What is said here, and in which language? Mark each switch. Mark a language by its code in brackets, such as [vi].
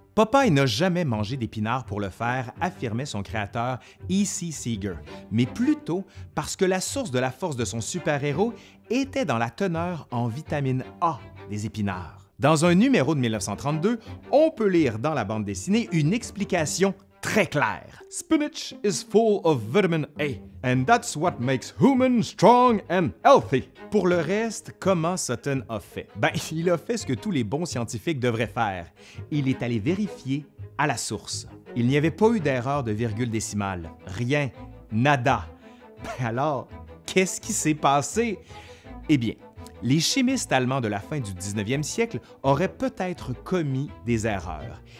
[fr] Popeye n'a jamais mangé d'épinards pour le faire, affirmait son créateur E.C. Seeger, mais plutôt parce que la source de la force de son super-héros était dans la teneur en vitamine A des épinards. Dans un numéro de 1932, on peut lire dans la bande dessinée une explication très claire. [en] « Spinach is full of vitamin A, and that's what makes humans strong and healthy. » [fr] Pour le reste, comment Sutton a fait? Ben, il a fait ce que tous les bons scientifiques devraient faire. Il est allé vérifier à la source. Il n'y avait pas eu d'erreur de virgule décimale. Rien. Nada. Ben alors, qu'est-ce qui s'est passé? Eh bien, les chimistes allemands de la fin du 19e siècle auraient peut-être commis des erreurs.